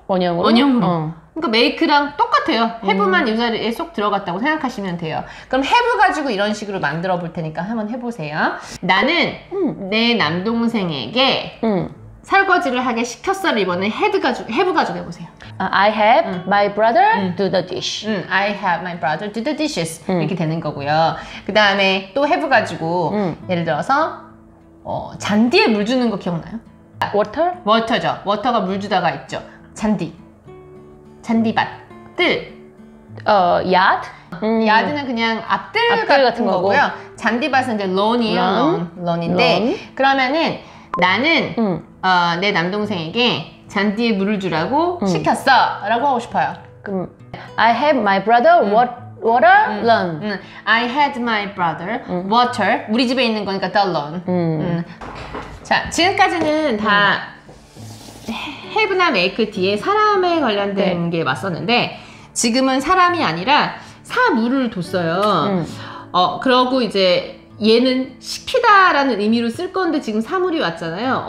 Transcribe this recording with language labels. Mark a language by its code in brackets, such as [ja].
[ko] 원형으로. 그러니까 make랑 똑같아요. have만 이 자리에 쏙 들어갔다고 생각하시면 돼요. 그럼 have 가지고 이런 식으로 만들어 볼 테니까 한번 해보세요. 나는 내 남동생에게 설거지를 하게 시켰어를 이번에 have 가지고 해보세요. [en] I have my brother do the dish. I have my brother do the dishes. [ko] 이렇게 되는 거고요. 그 다음에 또 have 가지고 예를 들어서 잔디에 물 주는 거 기억나요? [en] water? [ko] water죠. water가 물 주다가 있죠. 잔디. 잔디밭. 뜰. [en] yard? [ko] yard는 그냥 앞뜰 같은 거고요. 잔디밭은 이제 lawn이에요. lawn인데. 그러면은 나는 내 남동생에게 잔디에 물을 주라고 시켰어. 라고 하고 싶어요. [en] 그럼 I have my brother water lawn. I had my brother water. [ko] 우리 집에 있는 거니까 the lawn. 자, 지금까지는 다 have나 make 뒤에 사람에 관련된 게 맞았는데 지금은 사람이 아니라 사물을 뒀어요. 그러고 이제 얘는 시키다 라는 의미로 쓸 건데 지금 사물이 왔잖아요.